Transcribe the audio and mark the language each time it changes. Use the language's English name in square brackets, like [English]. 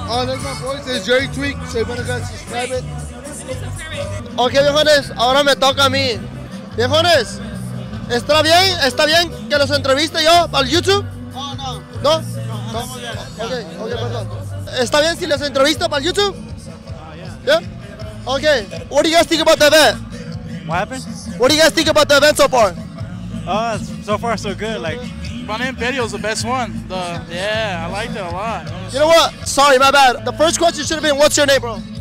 [English] Oh, that's my voice, it's Jerry Tweek, so you better guys subscribe it. [Spanish] Ok, viejones, ahora me toca a mí. Viejones, ¿está bien que los entreviste yo al YouTube? No. Okay, perdón. ¿Está bien si les entrevisto para YouTube? [English] Yeah. Okay, what do you guys think about the event? What happened? What do you guys think about the event so far? So far so good. Like, running video is the best one. I liked it a lot. You know what? Sorry, my bad. The first question should have been, what's your name, bro?